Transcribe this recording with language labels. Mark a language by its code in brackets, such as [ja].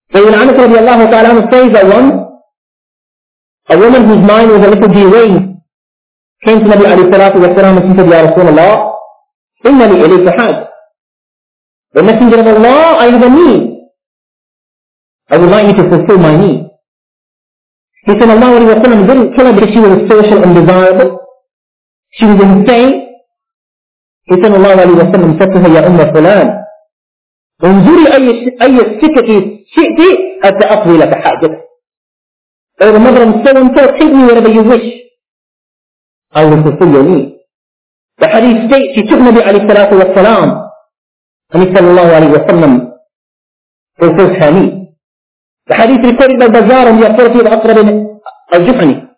[en] Sayyidina Anas radiallahu ta'ala says that once, a woman whose mind was a little derailed came to Nabi alayhi salatu wa salam and she said, Ya Rasulullah, [ar] إِنَّ لِي إِلَيْكَ حَاجَةٌ. [en] The Messenger of Allah, I have a need. I would like you to fulfill my need. He said, Allah alayhi wa sallam didn't kill her because she was social undesirable. She was insane. He said, Allah alayhi wa sallam said to her, [ar] يَا أُمَّ فُلَانَ انظُرِ أَيَّ السِّكَةِ شِئْتِ أَتَأْقْضِي لَكَ حَاجَةً. [en] Oh, the mother and so on, so take me wherever you wish. I will fulfill your need. The hadith states, she took Nabi alayhi salatu wa salam, and he sallallahu alayhi wa sallam fulfilled her need. The hadith recorded by Bazar on the authority of Aqrab ibn al-Juhani.